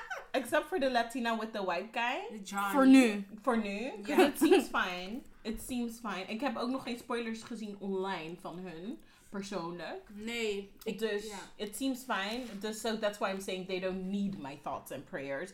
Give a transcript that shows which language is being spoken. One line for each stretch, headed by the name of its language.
English: Except for the Latina with the white guy. John. For
Dutch: nu.
English: Yeah. It seems fine.
Dutch: Ik heb ook nog geen spoilers gezien online van hun. Persoonlijk. Nee.
English: It seems fine. Just so that's why I'm saying they don't need my thoughts and prayers.